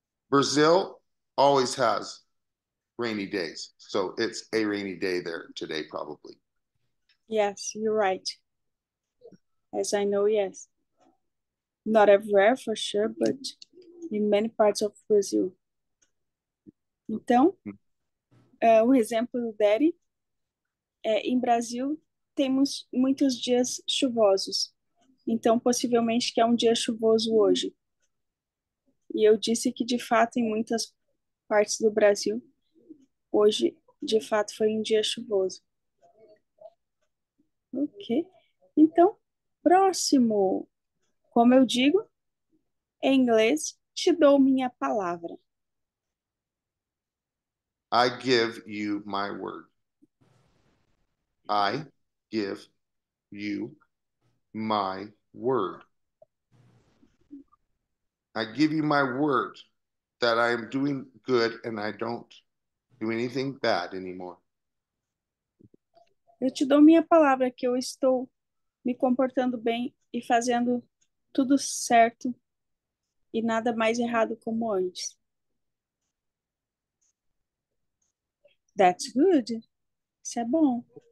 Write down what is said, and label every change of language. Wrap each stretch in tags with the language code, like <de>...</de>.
<en>Brazil always has rainy days. So it's a rainy day there today, probably. Yes, you're right. As I know, yes. Not everywhere, for sure, but in many parts of Brazil.</en> <pt>Então, o exemplo do Daddy é em Brasil. Temos muitos dias chuvosos. Então, possivelmente que é um dia chuvoso hoje. E eu disse que, de fato, em muitas partes do Brasil, hoje, de fato, foi um dia chuvoso. Ok. Então, próximo. Como eu digo, em inglês, te dou minha palavra.</pt> <en>I give you my word. I give you my word. I give you my word that I am doing good and I don't do anything bad anymore.</en> <pt>Eu te dou minha palavra que eu estou me comportando bem e fazendo tudo certo e nada mais errado como antes.</pt> <en>That's good.</en> <pt>Isso é bom.</pt>